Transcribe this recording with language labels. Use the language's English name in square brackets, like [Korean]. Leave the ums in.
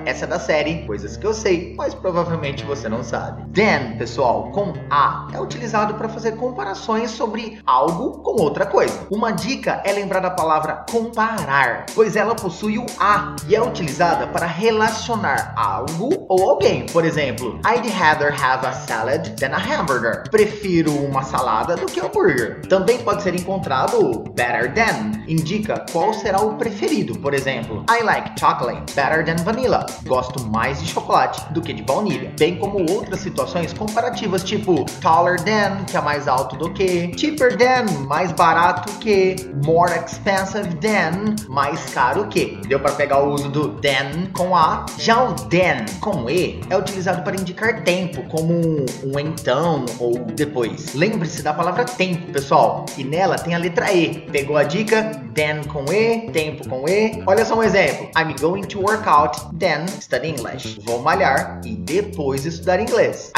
[Portuguese] Essa é da série Coisas que eu sei, mas provavelmente você não sabe. Then, pessoal, com A, é utilizado para fazer comparações sobre algo com outra coisa. Uma dica é lembrar da palavra comparar, pois ela possui o A e é utilizada para relacionar algo ou alguém. Por exemplo, [English] I'd rather have a salad than a hamburger. [Portuguese] Prefiro uma salada do que um hambúrguer. Também pode ser encontrado better than, indica qual será o preferido. Por exemplo, [English] I like chocolate better than vanilla. [Portuguese] Gosto mais de chocolate do que de baunilha. Bem como outras situações comparativas, tipo taller than, que é mais alto do que, cheaper than, mais barato que, more expensive than, mais caro que. Deu para pegar o uso do than com A. Já o than com E é utilizado para indicar tempo, como um então ou depois. Lembre-se da palavra tempo, pessoal, e nela tem a letra E. Pegou a dica? Then com E, tempo com E. Olha só um exemplo. [English] I'm going to work out, then study English. [Portuguese] Vou malhar e depois estudar inglês.